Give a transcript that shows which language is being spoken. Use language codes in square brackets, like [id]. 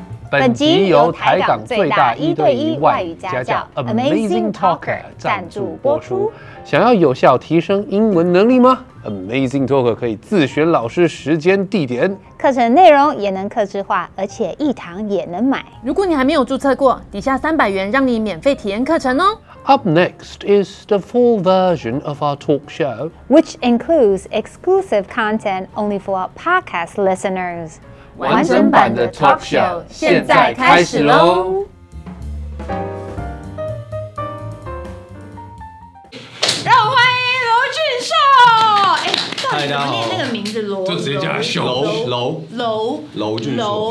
[zh] 本集由台港最大一对一外语家教 Amazing Talker 赞助播出。想要有效提升英文能力吗？Amazing Talker 可以自选老师时间地点，课程内容也能客制化，而且一堂也能买。如果你还没有注册过，底下300元让你免费体验课程哦。 [en] Up next is the full version of our talk show, which includes exclusive content only for our podcast listeners. [zh] 完整版的 talk show 现在开始咯。让我欢迎罗俊绍。嗨，大家好。那个名字罗，就直接叫他秀。罗俊绍。